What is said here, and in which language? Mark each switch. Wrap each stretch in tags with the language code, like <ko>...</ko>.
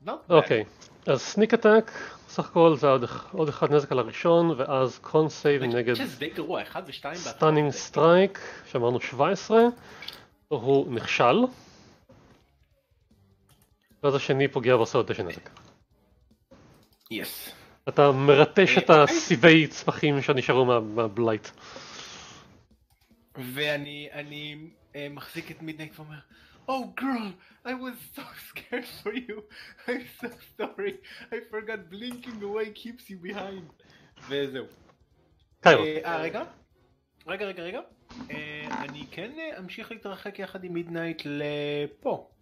<he>אוקיי, אז סניק אטאק, סך הכל זה עוד אחד נזק על הראשון, ואז קון סייב נגד סטאנינג סטרייק, שאמרנו 17, הוא נכשל, ואז השני פוגע ועושה עוד 9 נזק.</he> <en>יס.</en> <he>אתה מרטש את הסיבי צמחים שנשארו מהבלייט. ואני מחזיק את מידנייט ואומר,</he> <en>Oh girl, I was so scared for you. I'm so sorry. I forgot blinking away keeps you behind.</en> <he>וזהו. רגע. רגע, רגע, רגע. אני כן אמשיך להתרחק יחד עם מידנייט לפה.</he>